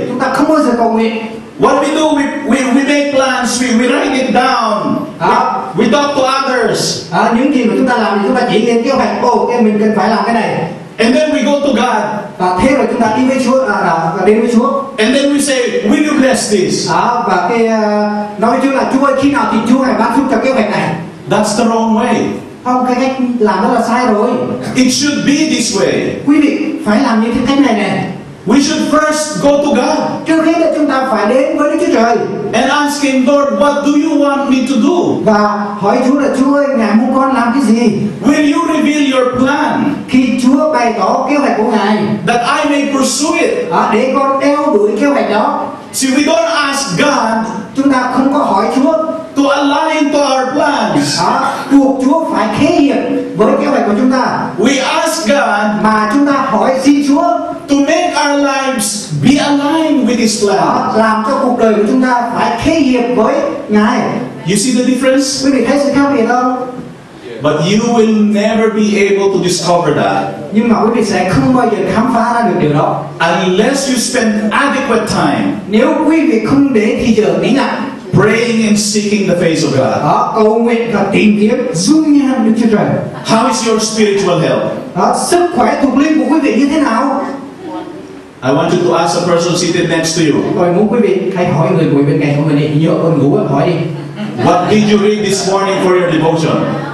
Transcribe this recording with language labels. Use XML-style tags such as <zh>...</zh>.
<vi>Chúng ta không bao giờ cầu nguyện.</vi> <en>What we do, we make plans, we write it down. We talk to others.</en> <vi>Những gì mà chúng ta làm thì chúng ta chỉ lên kế hoạch, mình cần phải làm cái này.</vi> <en>And then we go to God.</en> <vi>Và thế rồi chúng ta đi với Chúa, đến với Chúa.</vi> <en>And then we say, will you bless this?</en> <vi>Và cái nói chung là Chúa ơi, khi nào thì Chúa hãy ban phước cho kế hoạch này.</vi> <en>That's the wrong way.</en> <vi>Không, cái cách làm đó là sai rồi.</vi> <en>It should be this way.</en> <vi>Quý vị phải làm như thế cách này nè.</vi> <en>We should first go to God.</en> <vi>Trước hết là chúng ta phải đến với Đức Chúa Trời.</vi> <en>And ask Him, Lord, what do you want me to do?</en> <vi>Và hỏi Chúa là Chúa ơi, ngài muốn con làm cái gì?</vi> <en>Will you reveal your plan?</en> <vi>Khi Chúa bày tỏ kế hoạch của ngài.</vi> <en>That I may pursue it.</en> <vi>Để con theo đuổi kế hoạch đó.</vi> <en>See, we don't ask God.</en> <vi>Chúng ta không có hỏi Chúa.</vi> <en>To align to our plans.</en> <vi>Buộc Chúa phải khế hiệp với kế hoạch của chúng ta.</vi> <en>We ask God.</en> <vi>Mà chúng ta hỏi xin Chúa.</vi> <en>To make our lives be aligned with His plan.</en> <vi>Làm cho cuộc đời của chúng ta phải khế hiệp với Ngài.</vi> <en>You see the difference?</en> <vi>Quý vị thấy sự khác biệt không?</vi> <en>But you will never be able to discover that.</en> <vi>Nhưng mà quý vị sẽ không bao giờ khám phá ra được điều đó.</vi> <en>Unless you spend adequate time.</en> <vi>Nếu quý vị không để thì giờ nghĩ lại.</vi> <en>Praying and seeking the face of God.</en> <vi>Cầu nguyện và tìm kiếm dung nhan Đức Chúa Trời.</vi> <en>How is your spiritual health?</en> <vi>Sức khỏe thuộc linh của quý vị như thế nào?</vi> <en>I want you to ask the person seated next to you.</en> <vi>Tôi muốn quý vị hãy hỏi người ngồi bên cạnh của mình đi. Nhớ ơn ngủ và hỏi đi.</vi> <en>What did you read this morning for your devotion?</en>